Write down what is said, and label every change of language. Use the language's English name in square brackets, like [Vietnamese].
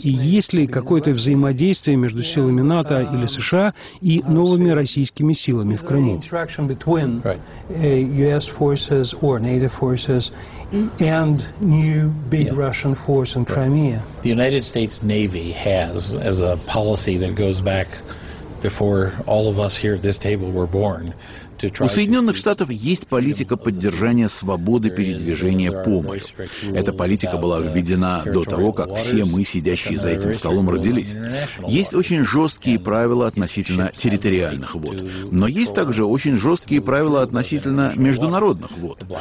[Russian] И есть ли какое-то взаимодействие между силами НАТО или США и новыми российскими силами в Крыму? [English] Before all of us here at this table were born. [Russian] У Соединенных Штатов есть политика поддержания свободы передвижения по морю. Эта политика была введена до того, как все мы, сидящие за этим столом, родились. Есть очень жесткие правила относительно территориальных вод, но есть также очень жесткие правила относительно международных вод.